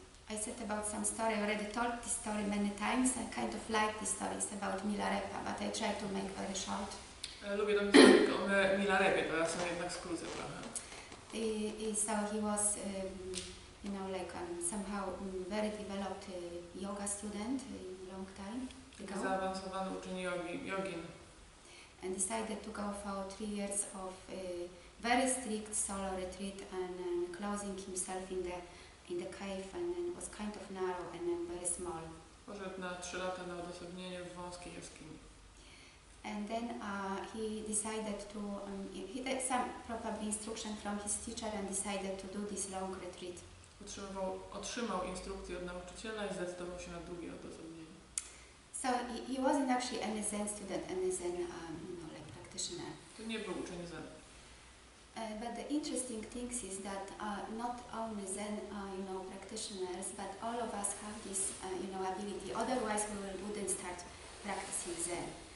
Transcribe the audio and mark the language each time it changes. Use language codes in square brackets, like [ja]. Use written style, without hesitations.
[en] I said about some story, I already told this story many times, I kind of like this story, it's about Milarepa, but I try to make very short. [pl] Lubię tą historię o Milarepie, to ja sobie jednak skrócę trochę. [en] So he was, you know, like somehow very developed yoga student long time ago. [pl] Zaawansowany uczeń jogin. [en] And decided to go for 3 years of very strict solo retreat and closing himself in the cave, and then was kind of narrow and then very small. [pl] Poszedł na 3 lata na odosobnienie w wąskiej jaskini. [en] And then he decided to, he had some probably instruction from his teacher and decided to do this long retreat. [pl] Otrzymał instrukcję od nauczyciela i zdecydował się na drugie odosobnienie. [en] So he wasn't actually any Zen student, any Zen, you know, like practitioner. [pl] To nie był uczeń Zen. [en] But the interesting thing is that not only Zen, you know, practitioners, but all of us have this, you know, ability. Otherwise, we wouldn't start practicing Zen.